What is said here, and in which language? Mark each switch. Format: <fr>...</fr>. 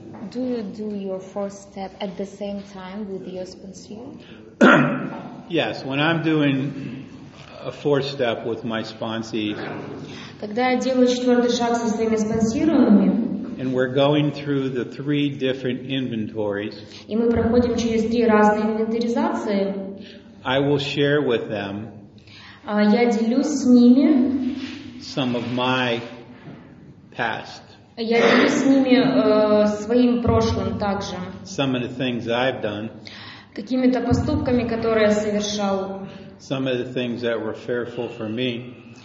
<en>Do you do your fourth step at the same time with your sponsor? Yes, when I'm doing a fourth step with my sponsee.</en> <ru>Когда я делаю четвертый шаг со своими спонсируемыми.</ru> <en>And we're going through the three different inventories.</en> <ru>И мы проходим через три разные инвентаризации.</ru> <en>I will share with them.</en> <ru>Я делюсь с ними.</ru> <en>Some of my past.</en> <ru>Я делюсь с ними своим прошлым также.</ru> <en>Some of the things I've done.</en> <ru>Какими-то поступками, которые я совершал.</ru> <en>Some of the things that were fearful for me.</en>